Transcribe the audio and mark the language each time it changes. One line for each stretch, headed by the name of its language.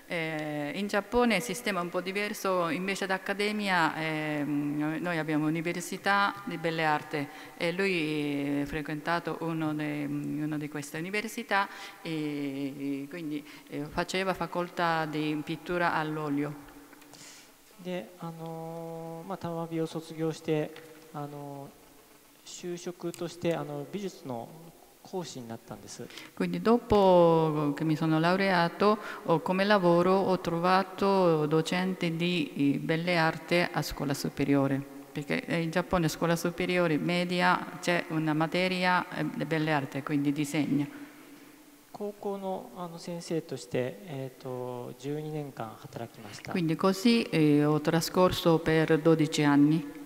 Japanese: そしてあの現代美術を専攻していました。
Italian: Quindi io sono in Giappone il sistema è un po' diverso, invece d'accademia noi abbiamo università di belle arti e lui ha frequentato una di queste università e quindi faceva facoltà di pittura all'olio.
Japanese: で、あの、まあ、タマビを卒業して、あの 就職としてあの美術の講師になったんです。
Italian: Quindi dopo che mi sono laureato, come lavoro ho trovato docente di belle arti a scuola superiore, perché in Giappone scuola superiore media c'è una materia di belle arti, quindi disegno.
Japanese: 高校のあの先生として12年間働きました。
Italian: Quindi così ho trascorso per 12 anni.